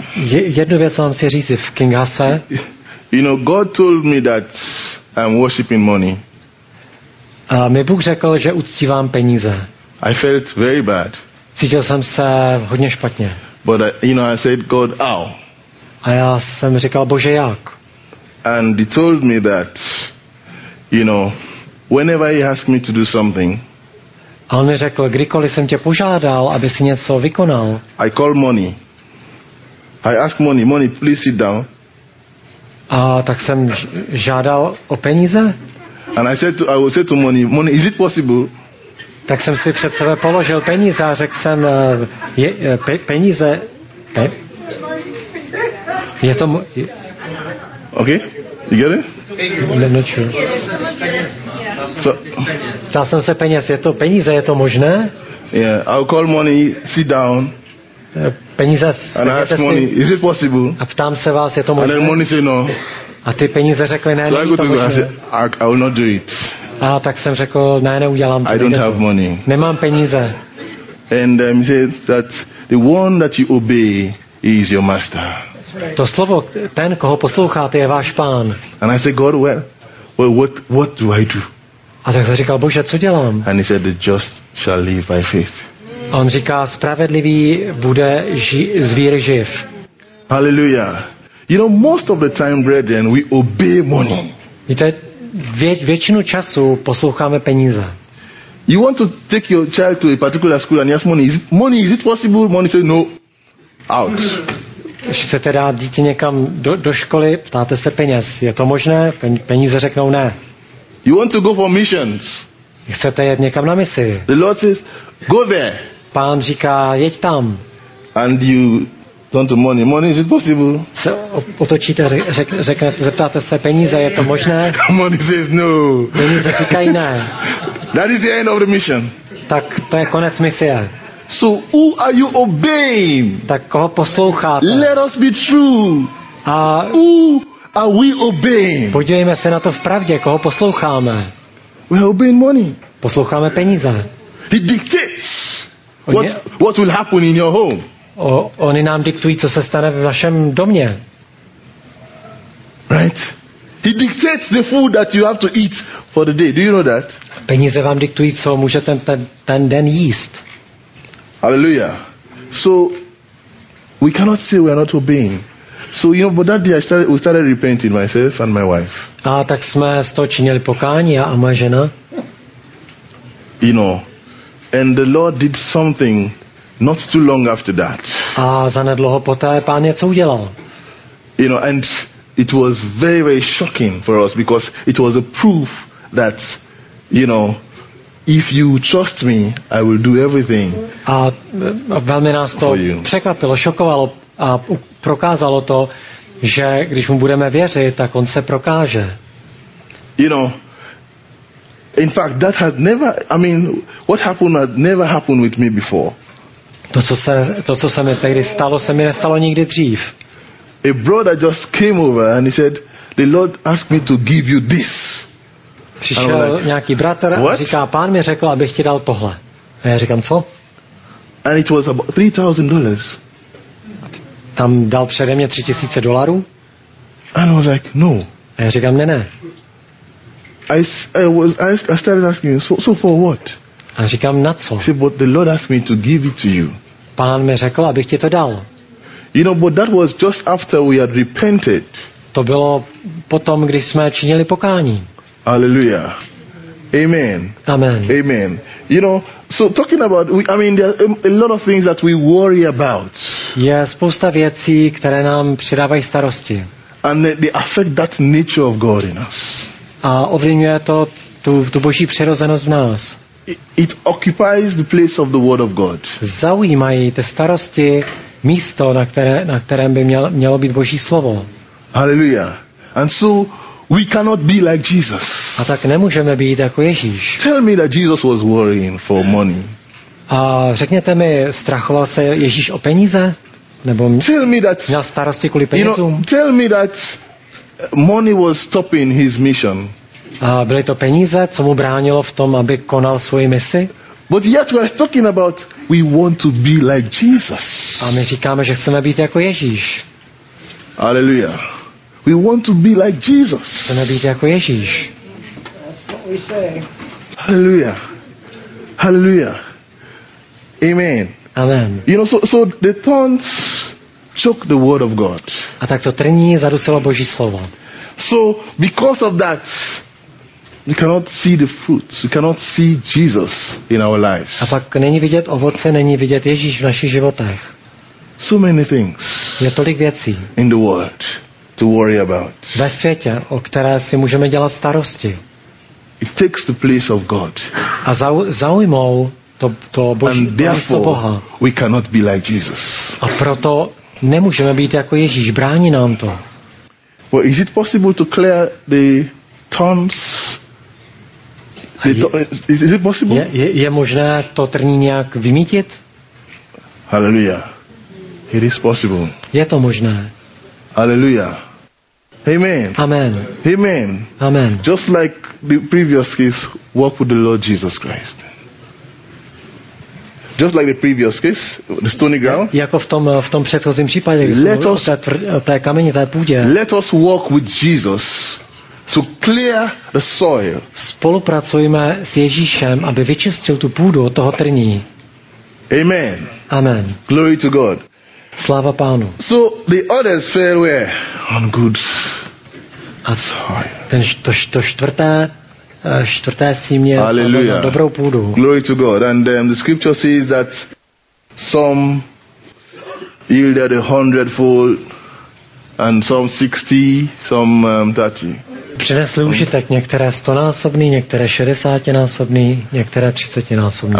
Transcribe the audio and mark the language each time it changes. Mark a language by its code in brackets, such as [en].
[cs] jednu věc vám chci říct, v Kinshase. [en] You know, God told me that I'm worshiping money. [cs] Mi Bůh řekl, že uctívám peníze. [en] I felt very bad. [cs] Cítil jsem se hodně špatně. [en] But you know, I said, God, how? [cs] A já jsem říkal, Bože, jak? [en] And he told me that, you know, whenever he asked me to do something. [cs] A on mi řekl, kdykoliv jsem tě požádal, aby si něco vykonal. [en] I call money. I ask money, money, please sit down. [cs] A tak jsem žádal o peníze. [en] And I will say to money, money, is it possible? [cs] Tak jsem si před sebe položil peníze a řekl jsem, peníze. Je to [en] okay? You get it? [cs] Ptal jsem se peněz, je to peníze, je to možné? [en] Yeah, I'll call money, sit down. [cs] Peníze, [en] and ask [cs] si, [en] money, is it possible? [cs] A ptám se vás, je to možné? [en] And then money say no. [cs] A ty peníze řekly, ne, [en] so [cs] není to možné. [en] I will not do it. [cs] A tak jsem řekl, ne, neudělám to. [en] I don't have to. Money. [cs] Nemám peníze. [en] And he says that the one that you obey is your master. [cs] To slovo, ten, koho posloucháte, je váš pán. [en] And I said, God, well, what do I do? [cs] A tak jsem říkal, Bože, co dělám? [en] And he said, the just shall live by faith. [cs] A on říká, spravedlivý bude z víry živ. [en] Hallelujah. You know, most of the time, brethren, we obey money. [cs] Víte, většinu času posloucháme peníze. [en] You want to take your child to a particular school and ask money, is it possible? Money says no. Out. [cs] Chcete dát dítě někam do školy, ptáte se peněz. Je to možné? Peníze řeknou ne. [en] You want to go for missions. [cs] Chcete jet někam na misi. [en] The Lord says, go there. [cs] Pán říká, jeď tam. [en] And you turn to money. Money, is it possible? [cs] Se otočíte, zeptáte se peníze, je to možné? [en] Money says no. [cs] Peníze říkají ne. [en] That is the end of the mission. [cs] Tak to je konec misie. [en] So who are you obeying? [cs] Tak koho posloucháte? [en] Let us be true. [cs] A [en] who are we obeying? [cs] Podívejme se na to v pravdě, koho posloucháme. [en] We are obeying money. [cs] Posloucháme peníze. [en] He dictates what will happen in your home. [cs] Oni nám diktují, co se stane v našem domě. [en] Right? He dictates the food that you have to eat for the day. Do you know that? [cs] Peníze vám diktují, co můžete ten den jíst. [en] Hallelujah. So we cannot say we are not obeying. So you know, but that day we started repenting, myself and my wife. [cs] A tak jsme z toho činili pokání, já a moje žena. [en] You know, and the Lord did something not too long after that. [cs] A zanedlouho poté Pán něco udělal. [en] You know, and it was very, very shocking for us because it was a proof that, you know, if you trust me, I will do everything. [cs] A velmi nás to překvapilo, šokovalo a prokázalo to, že když mu budeme věřit, tak on se prokáže. [en] You know, in fact, that had never, I mean, what happened had never happened with me before. [cs] To co se mi tehdy stalo, se mi nestalo nikdy dřív. [en] A brother just came over and he said, the Lord asked me to give you this. [cs] Přišel like, nějaký bratr a říká, Pán mi řekl, abych ti dal tohle. A já říkám, co? [en] And it was about $3,000. [cs] Tam dal přede mě $3,000? [en] And I was like, no. [cs] A já říkám, ne. [en] I started asking him, so for what? [cs] A říkám, na co? [en] He said, but the Lord asked me to give it to you. [cs] Pán mi řekl, abych ti to dal. [en] You know, but that was just after we had repented. [cs] To bylo potom, když jsme činili pokání. [en] Hallelujah. Amen. Amen. Amen. You know, so talking about, there are a lot of things that we worry about. [cs] Je spousta věcí, které nám přidávají starosti. [en] And they affect that nature of God in us. [cs] A ovlivňuje to tu Boží přirozenost v nás. [en] It occupies the place of the Word of God. [cs] Zaujímají ty starosti místo, na kterém by mělo být Boží slovo. [en] Hallelujah. And so we cannot be like Jesus. [cs] A tak nemůžeme být jako Ježíš. [en] Tell me that Jesus was worrying for money. [cs] A řekněte mi, strachoval se Ježíš o peníze? Nebo [en] tell me that, [cs] měl starosti kvůli penězům? [en] You know, tell me that money was stopping his mission. [cs] A byly to peníze, co mu bránilo v tom, aby konal svoji misi? [en] But yet we are talking about we want to be like Jesus. [cs] A my říkáme, že chceme být jako Ježíš. [en] Hallelujah. We want to be like Jesus. [cs] Chceme být jako Ježíš. [en] That's what we say. Hallelujah. Hallelujah. Amen. Amen. You know, so the thorns choke the word of God. [cs] A tak to trní zadusilo Boží slovo. [en] So because of that, we cannot see the fruits. We cannot see Jesus in our lives. [cs] A pak není vidět ovoce, není vidět Ježíš v našich životech. [en] So many things. [cs] Je tolik věcí. [en] In the world to worry about. [cs] Ve světě, o které si můžeme dělat starosti. [en] It takes the place of God. [cs] A zaujmou to Boží místo Boha. [en] And therefore we cannot be like Jesus. [cs] A proto nemůžeme být jako Ježíš, brání nám to. [en] Well, is it possible to clear the thorns? Is it possible? [cs] Je možné to trní nějak vymítit? [en] Hallelujah. It is possible. [cs] Je to možné. [en] Hallelujah. Amen. Amen. Amen. Amen. Just like the previous case, walk with the Lord Jesus Christ. Just like the previous case, the stony ground. [cs] Jako v tom předchozím případě, té kameni, té půdě. [en] Let us walk with Jesus to clear the soil. [cs] Spolupracujeme s Ježíšem, aby vyčistil tu půdu od toho trní. [en] Amen. Amen. Glory to God. [cs] Sláva Pánu. [en] So the others fell where? On good soil. [cs] To čtvrté. Čtvrté símě na dobrou půdu. [en] Glory to God. And the scripture says that some yielded 100-fold and some 60, some 30. [cs] Přinesli užitek, některé 100-násobný, některé 60-násobný, některé 30-násobný.